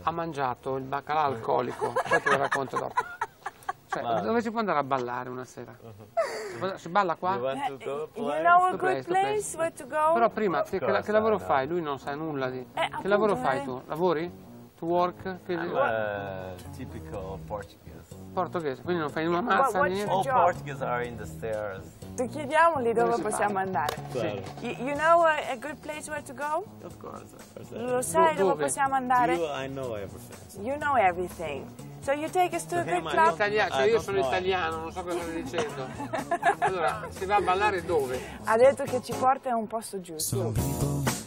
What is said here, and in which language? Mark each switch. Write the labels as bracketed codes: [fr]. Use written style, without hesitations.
[it] Ha mangiato il baccalà alcolico, poi te lo racconto dopo. Cioè, vale. Dove si può andare a ballare una sera? Si balla qua? [en] You know a good place where to go? [it] Però prima, che lavoro fai? Lui non sa nulla di... che lavoro fai tu? Lavori? [en] To work? Typical Portuguese. [it] Portuguese, quindi non fai una mazza di niente? [en] All Portuguese are in the stairs. [it] Ti chiediamoli dove possiamo andare. Sì. [en] You know a good place where to go? Of course. [it] Lo sai dove possiamo andare? [en] I know everything. You know everything. So you take us to a good club? [it] Cioè io sono italiano, non so cosa stai dicendo. Allora, si va a ballare dove? Ha detto che ci porta a un posto giusto.